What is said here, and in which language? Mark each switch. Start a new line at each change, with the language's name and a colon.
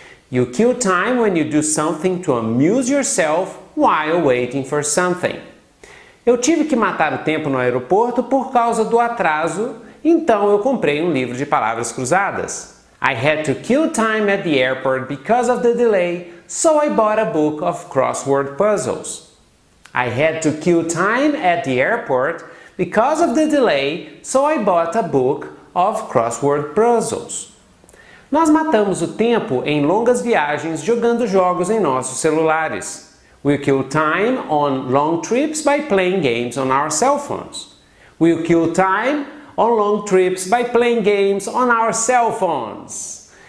English: You kill time when you do something to amuse yourself while waiting for something.
Portuguese: Eu tive que matar o tempo no aeroporto por causa do atraso. Então eu comprei um livro de palavras cruzadas.
English: I had to kill time at the airport because of the delay, so I bought a book of crossword puzzles. I had to kill time at the airport because of the delay, so I bought a book of crossword puzzles.
Portuguese: Nós matamos o tempo em longas viagens jogando jogos em nossos celulares.
English: We kill time on long trips by playing games on our cell phones. We kill time on long trips by playing games on our cell phones.